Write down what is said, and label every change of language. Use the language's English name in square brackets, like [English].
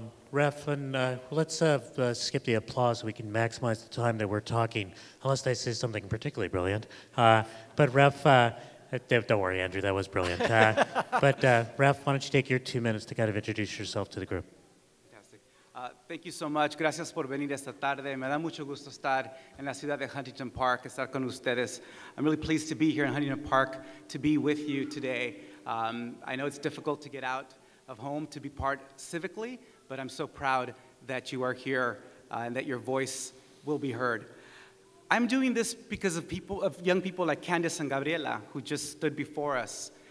[English] Ref, and let's skip the applause. We can maximize the time that we're talking, unless they say something particularly brilliant. But Ref, don't worry, Andrew, that was brilliant. Ref, why don't you take your 2 minutes to kind of introduce yourself to the group. Fantastic. Thank you so much. [Spanish] Gracias por venir esta tarde. Me da mucho gusto estar en la ciudad de Huntington Park, estar con ustedes. [English] I'm really pleased to be here in Huntington Park to be with you today. I know it's difficult to get out of home to be part civically, but I'm so proud that you are here and that your voice will be heard. I'm doing this because of people, of young people like Candace and Gabriela, who just stood before us.